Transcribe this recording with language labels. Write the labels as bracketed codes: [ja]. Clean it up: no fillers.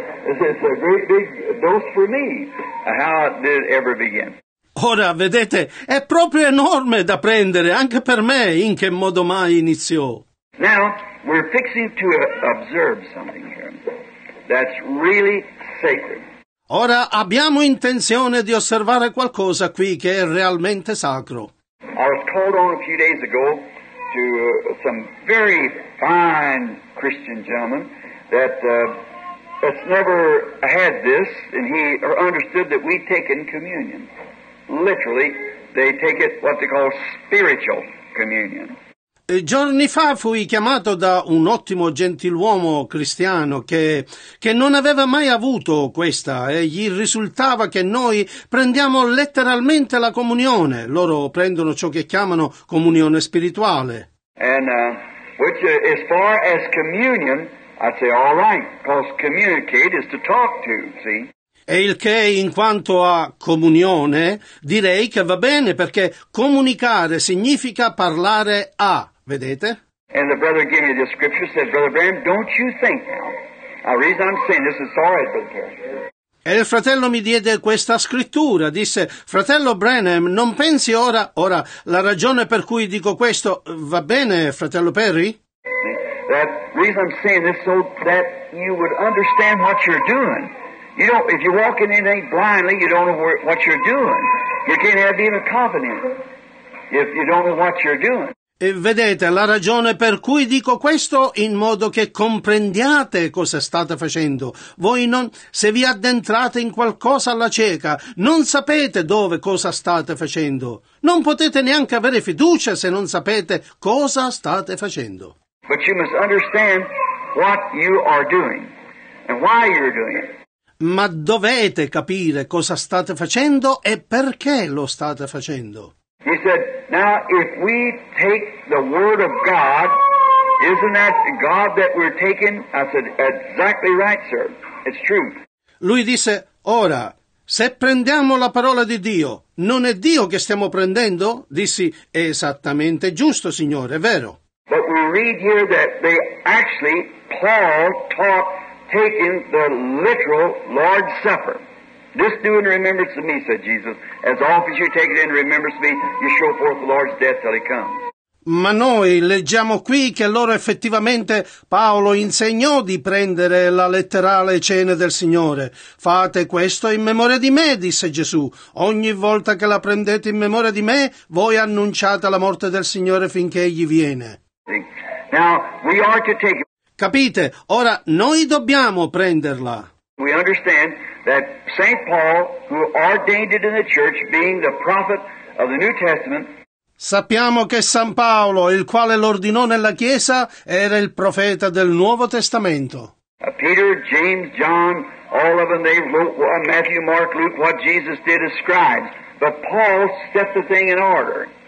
[en] It's a great big dose for me. How did it ever begin? [it] Ora, vedete, è proprio enorme da prendere, anche per me, in che modo mai iniziò. [en] Now, we're fixing to observe something here that's really sacred. [it] Ora abbiamo intenzione di osservare qualcosa qui che è realmente sacro. [en] I was called on a few days ago to some very fine Christian gentleman that's never had this, and he understood that we take in communion. Literally, they take it what they call spiritual communion. [it] Giorni fa fui chiamato da un ottimo gentiluomo cristiano che non aveva mai avuto questa e gli risultava che noi prendiamo letteralmente la comunione. Loro prendono ciò che chiamano comunione spirituale. [en] And which as far as communion, I say all right, because communicate is to talk to, see? [it] E il che, in quanto a comunione, direi che va bene perché comunicare significa parlare a. Vedete? [en] And the brother gave me the scripture, said, Brother Bram, don't you think now. The reason I'm saying this is all right, Brother Bram. [it] E il fratello mi diede questa scrittura, disse, fratello Branham, non pensi ora, ora, la ragione per cui dico questo, va bene, fratello Perry? [en] That reason I'm saying this so that you would understand what you're doing. You don't, if you're walking in anything blindly, you don't know what you're doing. You can't have even confidence if you don't know what you're doing. [it] E vedete, la ragione per cui dico questo in modo che comprendiate cosa state facendo. Voi non, se vi addentrate in qualcosa alla cieca, non sapete dove cosa state facendo. Non potete neanche avere fiducia se non sapete cosa state facendo. [en] But you must understand what you are doing and why you're doing it. [it] Ma dovete capire cosa state facendo e perché lo state facendo. [en] He said, now if we take the word of God, isn't that God that we're taking? I said, exactly right, sir. It's true. [it] Lui disse, ora, se prendiamo la parola di Dio, non è Dio che stiamo prendendo? Dissi, è esattamente giusto, signore, è vero. [en] But we read here that they actually, Paul taught taking the literal Lord's Supper. Just do in remembrance of me, said Jesus. As often as you take it in remembrance of me, you show forth the Lord's death till he comes. [it] Ma noi leggiamo qui che loro effettivamente Paolo insegnò di prendere la letterale cena del Signore. Fate questo in memoria di me, disse Gesù. Ogni volta che la prendete in memoria di me, voi annunciate la morte del Signore finché egli viene. [en] Now, we are to take... [it] Capite? Ora noi dobbiamo prenderla. [en] We understand that Saint Paul, who ordained it in the church, being the prophet of the New Testament. [it] Sappiamo che San Paolo, il quale l'ordinò nella Chiesa, era il profeta del Nuovo Testamento. [en] Peter, James, John, all of them, they wrote Matthew, Mark, Luke, what Jesus did as scribes. But Paul set the thing in order.